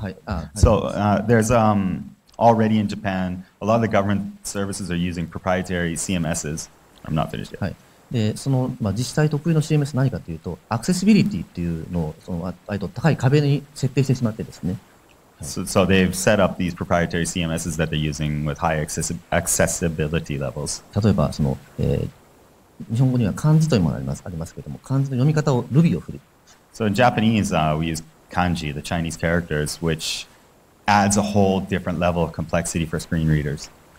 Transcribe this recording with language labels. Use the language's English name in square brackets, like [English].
[Japanese] はい、 [English] so, there's、already in Japan a lot of the government services are using proprietary CMSs. I'm not finished yet、 [Japanese] はい、でその、まあ、自治体特有の CMS 何かというと、アクセシビリティっていうのをその割と高い壁に設定してしまってですね。 [English] So, so they've set up these proprietary CMSs that they're using with high accessibility levels. [Japanese] 例えばその、日本語には漢字というものがありますけれども、漢字の読み方を Ruby を振る。 [English] So in Japanese,、we use kanji, the Chinese characters, which adds a whole different level of complexity for screen readers.